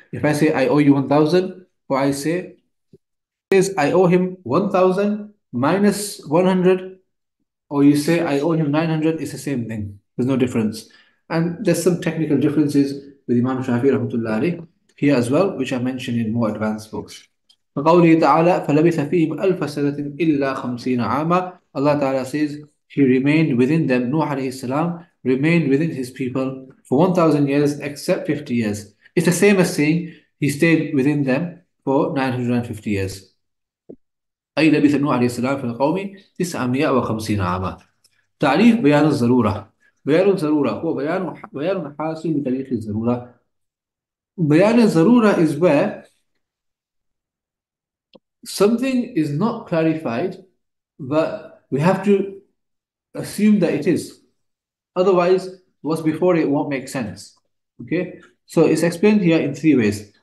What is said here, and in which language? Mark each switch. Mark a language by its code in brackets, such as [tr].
[en] If I say I owe you 1,000, or I say is I owe him 1,000 minus 100, or you say I owe him 900, it's the same thing. There's no difference. And there's some technical differences with Imam Shafi'i rahmatullah alayh here as well, which are mentioned in more advanced books. [ar] فقوله تعالى فلبث فيهم ألف سنة إلا 50 عاما. [en] Allah Ta'ala says he remained within them. Nuh alayhi salam remained within his people for 1,000 years except 50 years. It's the same as saying he stayed within them for 950 years. [ar] أي لبث نوح عليه السلام في القوم 950 عاما. تعريف بيان الضرورة. بيان الضرورة هو بيان حاصل لتاريخ الضرورة. بيان الضرورة [en] is where something is not clarified, but we have to assume that it is. Otherwise, what's before it won't make sense. Okay, so it's explained here in three ways.